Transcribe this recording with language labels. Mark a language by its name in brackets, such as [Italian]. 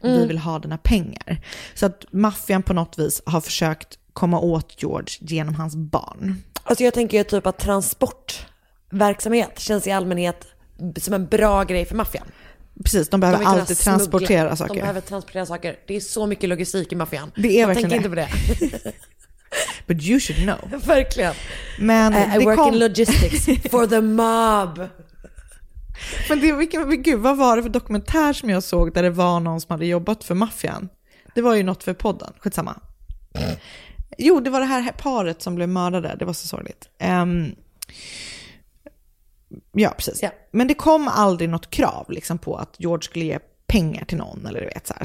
[Swedish] Vi vill ha dina pengar. Så att maffian på något vis har försökt komma åt George genom hans barn. Alltså jag tänker ju typ att transportverksamhet känns i allmänhet som en bra grej för maffian. Precis, de behöver alltid transportera smuggla. Saker. De behöver transportera saker. Det är så mycket logistik i maffian. Det är verkligen tänker inte på det. [English] But you should know. [Swedish] Verkligen. Men [English] I work in logistics for the mob. [Swedish] Men det, gud, vad var det för dokumentär som jag såg där det var någon som hade jobbat för maffian? Det var ju något för podden. Skitsamma. Jo, det var det här paret som blev mördade. Det var så sorgligt. Ja, precis. [English] Yeah. [Swedish] Men det kom aldrig något krav liksom, på att George skulle ge pengar till någon. Eller du vet, så här.